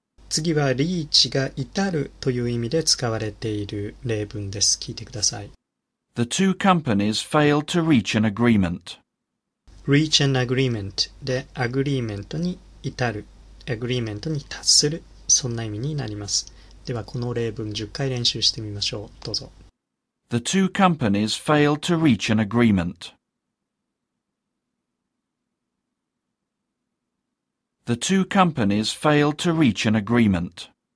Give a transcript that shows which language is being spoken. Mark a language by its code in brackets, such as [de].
[ja] 次はリーチが至るという意味で使われている例文です。聞いてください。 [en] The two companies failed to reach an agreement. Reach an agreement [ja] で、アグリーメントに至る、アグリーメントに達する、そんな意味になります。ではこの例文10回練習してみましょう。どうぞ。 [en] The two companies failed to reach an agreement. The two companies failed to reach an agreement.